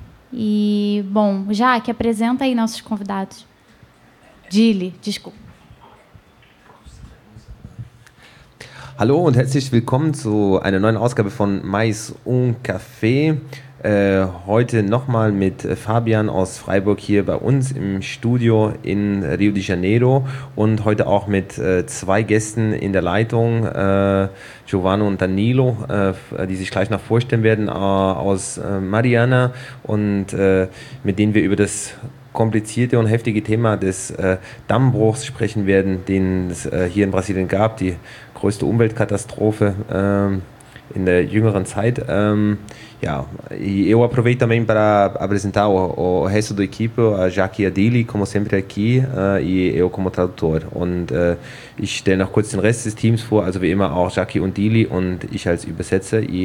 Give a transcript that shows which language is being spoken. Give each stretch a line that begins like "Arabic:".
Portuguese: E, bom, Jaque, apresenta aí nossos convidados. Dili, desculpa.
German: Hallo und herzlich willkommen zu einer neuen Ausgabe von Mais un Café. Heute nochmal mit Fabian aus Freiburg hier bei uns im Studio in Rio de Janeiro und heute auch mit zwei Gästen in der Leitung, Giovanni und Danilo, die sich gleich noch vorstellen werden, aus Mariana und mit denen wir über das komplizierte und heftige Thema des Dammbruchs sprechen werden, den es hier in Brasilien gab, die größte Umweltkatastrophe in der jüngeren Zeit.
Portuguese: Ja, eu aproveito também para apresentar o resto da equipe, a Jaque e a Dili, como sempre aqui, e eu como tradutor.
German: Und ich stelle noch kurz den Rest des Teams vor, also wie immer auch Jaque und Dili und ich als Übersetzer.